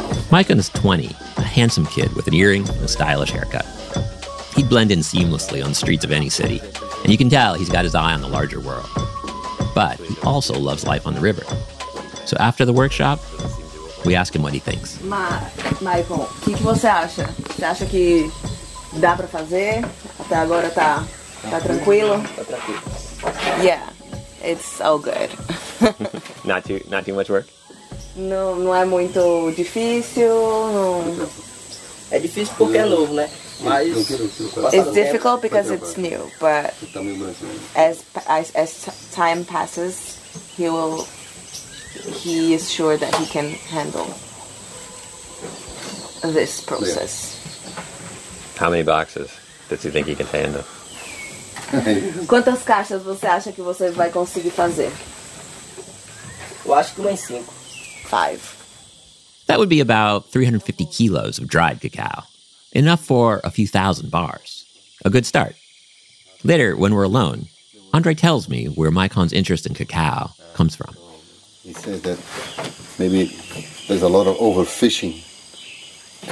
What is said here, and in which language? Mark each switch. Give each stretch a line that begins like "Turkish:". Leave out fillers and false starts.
English: Maikon is 20, a handsome kid with an earring and a stylish haircut. He'd blend in seamlessly on the streets of any city, and you can tell he's got his eye on the larger world. But he also loves life on the river. So after the workshop, we ask him what he thinks.
Portuguese: Maicon, o que você acha? Você acha que dá para fazer? Até agora tá tranquilo? Tá tranquilo.
English: Yeah. It's so good. not too much work?
Portuguese: No, não é muito difícil. Não. É difícil porque é novo, né? Mas
English: it's difficult because it's new, but as time passes, he is sure that he can handle this process. How many boxes does he think he can handle?
Portuguese: Quantas caixas você acha que você vai conseguir fazer? Eu acho que mais 5. 5.
English: That would be about 350 kilos of dried cacao. Enough for a few thousand bars. A good start. Later, when we're alone, Andre tells me where Maicon's interest in cacao comes from. He says that maybe there's a lot of overfishing.